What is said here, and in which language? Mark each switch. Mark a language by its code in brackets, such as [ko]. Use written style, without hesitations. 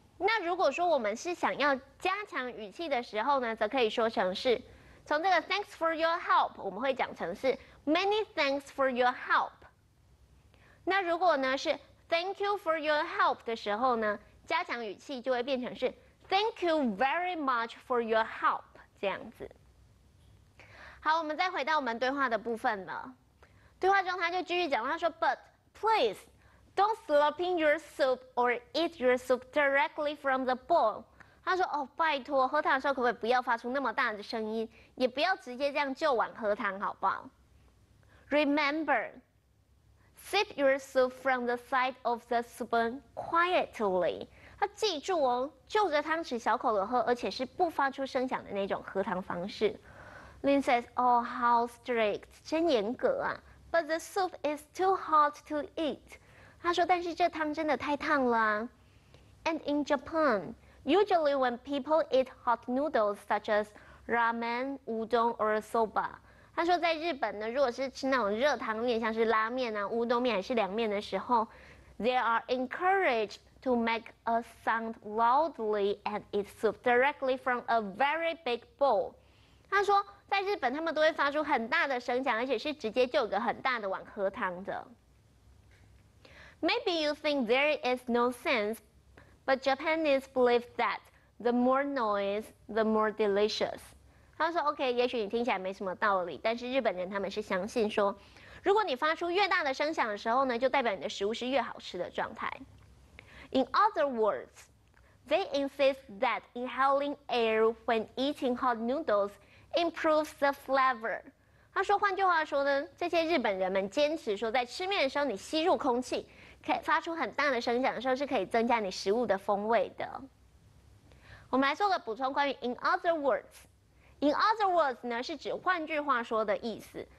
[zh] 那如果说我们是想要加强语气的时候呢，则可以说成是，从这个 [en] thanks for your help [zh] 我们会讲成是 [en] many thanks for your help。 [zh] 那如果呢是 [en] thank you for your help [zh] 的时候呢，加强语气就会变成是 [en] Thank you very much for your help. [zh] 这样子。好，我们再回到我们对话的部分了。对话中他就继续讲，他说 [en] ，But please don't slurp in your soup or eat your soup directly from the bowl. [zh] 他说，哦，拜托，喝汤的时候可不可以不要发出那么大的声音，也不要直接这样就碗喝汤，好不好 ？ [en] Remember, sip your soup from the side of the spoon quietly. [zh] 他记住哦，就着汤匙小口的喝，而且是不发出声响的那种喝汤方式。 [en] Lin says, "Oh, how strict, [zh] 真严格啊。" [en] But the soup is too hot to eat. [zh] 他说，但是这汤真的太烫了。 [en] And in Japan, usually when people eat hot noodles such as ramen, udon, or soba, [zh] 他说在日本呢，如果是吃那种热汤面，像是拉面啊、乌冬面还是凉面的时候 [en] ，they are encouraged to make a sound loudly and eat soup directly from a very big bowl. [zh] 他说在日本，他们都会发出很大的声响，而且是直接就有个很大的碗喝汤的。 [en] Maybe you think there is no sense, but Japanese believe that the more noise, the more delicious. [zh] 他说 OK， 也许你听起来没什么道理，但是日本人他们是相信说，如果你发出越大的声响的时候呢，就代表你的食物是越好吃的状态。 [en] In other words, they insist that inhaling air when eating hot noodles improves the flavor. [zh] 他说换句话说呢，这些日本人们坚持说，在吃面的时候你吸入空气，发出很大的声响的时候，是可以增加你食物的风味的。我们来做个补充，关于 in other words， in other words 呢是指换句话说的意思。